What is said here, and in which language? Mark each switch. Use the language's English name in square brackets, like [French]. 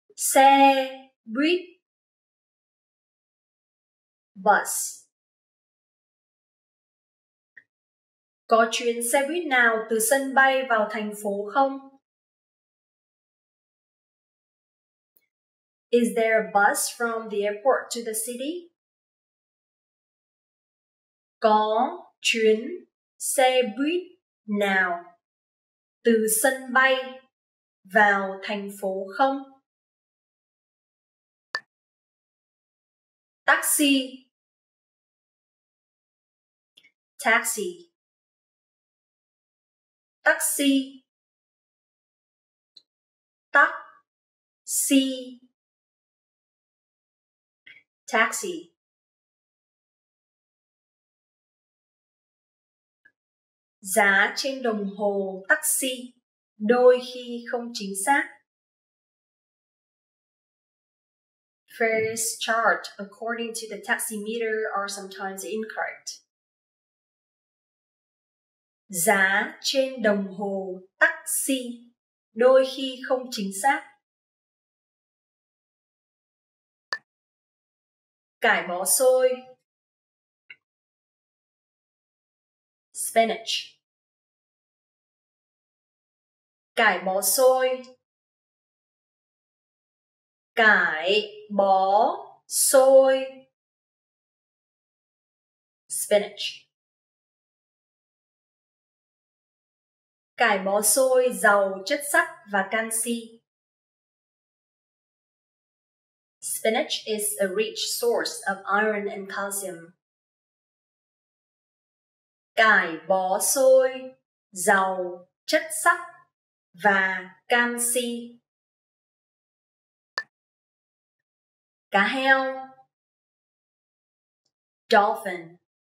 [Vietnamese] Xe buýt. [English] Bus. [Vietnamese] Có chuyến xe buýt nào từ sân bay vào thành phố không? [English] Is there a bus from the airport to the city? [Vietnamese] Có chuyến xe buýt nào từ sân bay vào thành phố không? [English] Taxi. Taxi. Taxi. Taxi. Taxi. [Vietnamese] Giá trên đồng hồ taxi đôi khi không chính xác. [English] Fares charged according to the taxi meter are sometimes incorrect. [Vietnamese] Giá trên đồng hồ taxi đôi khi không chính xác. Cải bó xôi. [English] Spinach. [Vietnamese] Cải bó xôi. Cải bó [English] soy, spinach. [Vietnamese] Cải bó xôi giàu chất sắt và canxi. [English] Spinach is a rich source of iron and calcium. [Vietnamese] Cải bó xôi giàu chất sắt và canxi. Cá heo. [English] Dolphin.